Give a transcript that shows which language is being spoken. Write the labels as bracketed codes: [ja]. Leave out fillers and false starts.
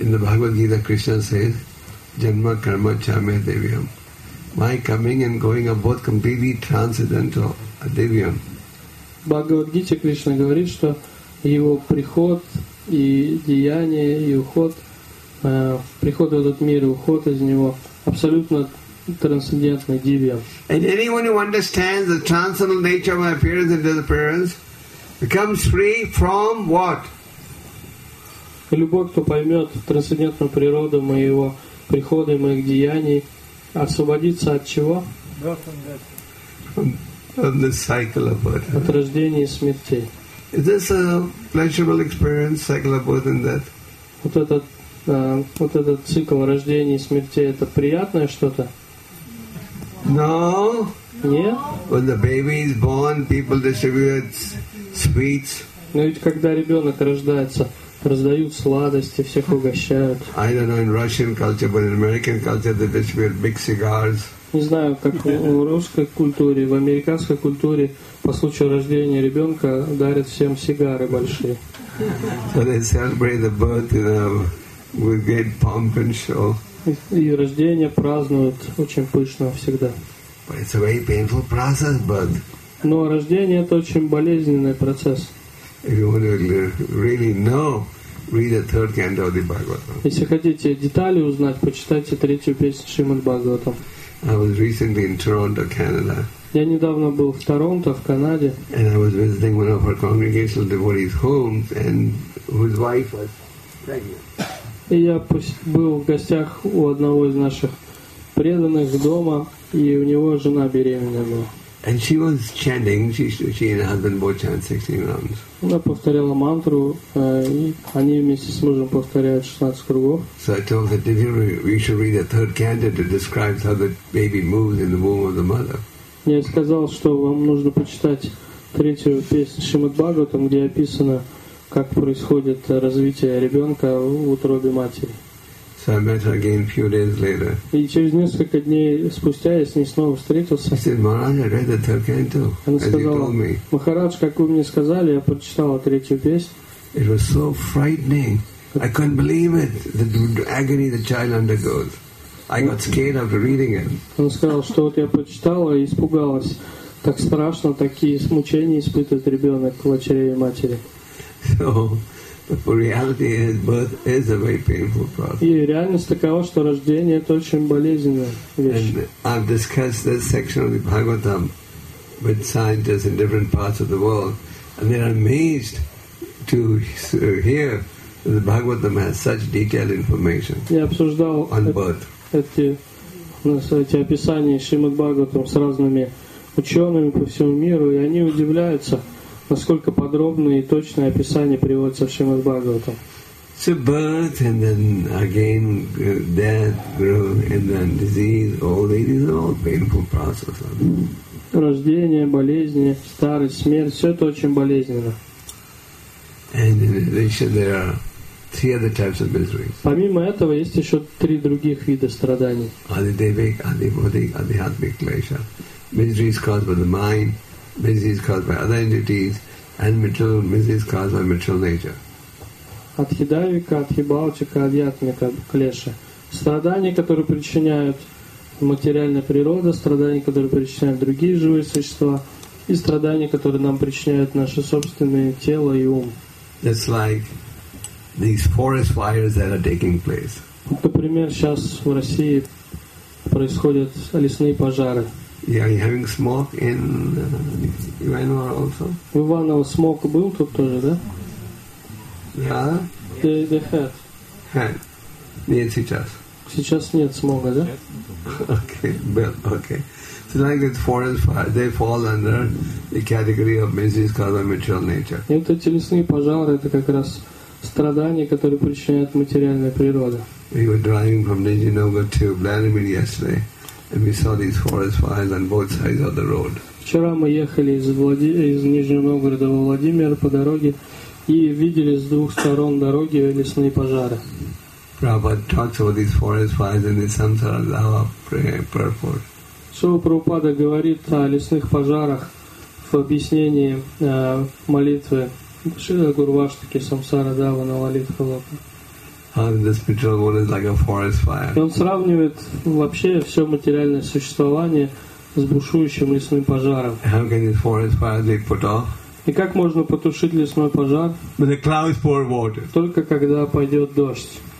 [en] In the Bhagavad Gita, Krishna says, [sa] "Janma karma chame devyam." [en] My coming and going are both completely transcendental, devyam. [ru] Bhagavad Gita, Krishna говорит, что его приход и деяния и уход, приход в этот мир и уход из него абсолютно трансцендентный, девьям. [en] And anyone who understands the transcendental nature of my appearance and disappearance becomes free from what? [ru] Любой, кто поймет трансцендентную природу моего прихода и моих деяний, освободится от чего? [en] From the cycle of birth. [ru] От рождения и смерти. [en] Is this a pleasurable experience, cycle of birth and death? [ru] Вот этот цикл рождения и смерти, это приятное что-то? [en] No. [ru] Нет. [en] When the baby is born, people distribute sweets. [ru] Но ведь когда ребенок рождается, раздают сладости, всех угощают. [en] I don't know in Russian culture, but in American culture they distribute big cigars. [ru] Не знаю, как в русской культуре, в американской культуре по случаю рождения ребенка дарят всем сигары большие. [en] So they celebrate the birth, you know, with great pomp and show. [ru] И рождение празднуют очень пышно всегда. [en] But it's a very painful process, but. [ru] Но рождение — это очень болезненный процесс. [en] If you want to really know, read the third canto of the Bhagavatam. [ru] Если хотите детали узнать, почитайте третью песню Шримад Бхагаватам. [en] I was recently in Toronto, Canada. [ru] Я недавно был в Торонто, в Канаде. [en] And I was visiting one of our congregational devotees' homes, and whose wife was pregnant. [ru] И я был в гостях у одного из наших преданных дома, и у него жена беременна была. [en] And she was chanting. She and her husband both chant 16 rounds. [ru] Она повторяла мантру, и они вместе с мужем повторяют 16 кругов. [en] So I told her, "Did you should read the third canto to describe how the baby moves in the womb of the mother?" [ru] Я сказал, что вам нужно почитать третью песню Шримад Бхагаватам, где описано, как происходит развитие ребенка в утробе матери. [en] So I met her again a few days later. И через несколько дней спустя я с ней снова встретился. I said, "Maharaj, I read the third canto, as you told me." [ru] Махарадж, как вы мне сказали, я прочитал третью песню. [en] It was so frightening. I couldn't believe it. The agony the child undergoes. I got scared after reading it. [ru] Он сказал, что вот я прочитал и испугалась. Так страшно, такие мучения испытывает ребенок в чреве матери. [en] So. But reality is, birth is a very painful process. [ru] И реальность такова, что рождение — это очень болезненная вещь. [en] And I've discussed this section of the Bhagavatam with scientists in different parts of the world, and they're amazed to hear that the Bhagavatam has such detailed information on birth. [ru] Эти описания Шримад Бхагаватам с разными учеными по всему миру, и они удивляются, насколько подробное и точное описание приводится в Шримад Бхагаватам. [en] So birth, and then again death, growth, and then disease, old age, these are all painful processes. [ru] Рождение, болезни, старость, смерть — все это очень болезненно. [en] And in addition, there are three other types of miseries. [ru] Помимо этого, есть еще три других вида страданий. [sa] Adhidevik, adhibodhik, adhihatmik klesha. [en] Miseries caused by the mind, miseries caused by other entities, and material miseries caused by material nature. [sa] Адхидавика, адхибалтика, адхиатмика, клеша. [ru] Страдания, которые причиняют материальная природа, страдания, которые причиняют другие живые существа, и страдания, которые нам причиняют наше собственное тело и ум. [en] It's like these forest fires that are taking place. [ru] Например, сейчас в России происходят лесные пожары. [en] Yeah, are you having smoke in Ivanovo also? [ru] В Иваново смог был тут тоже, да? [en] Yeah. They had. Had. [ru] Нет сейчас. Сейчас нет смога, да? [en] Okay, well, okay. So like the forest fire, they fall under the category of miseries caused by material nature. И вот эти лесные пожары — это как раз страдания, которые причиняет материальная природа. We were driving from Nijinoga to Vladimir yesterday. And we saw these forest fires on both sides of the road. [ru] Вчера мы ехали из Нижнего Новгорода во Владимир по дороге и видели с двух сторон дороги лесные пожары. [en] Prabhupada talks about these forest fires in the Samsara Lava purport. [ru] Шрила Прабхупада говорит о лесных пожарах в объяснении молитвы Шрила Гуру Ваштаки Самсара Дава на Лалитха Лапа. [en] This material world is like a forest fire. [ru] И он сравнивает вообще все материальное существование с бушующим лесным пожаром. [en] How can this forest fire be put off? [ru] И как можно потушить лесной пожар? [en] When the clouds pour water. [ru] Только когда пойдет дождь.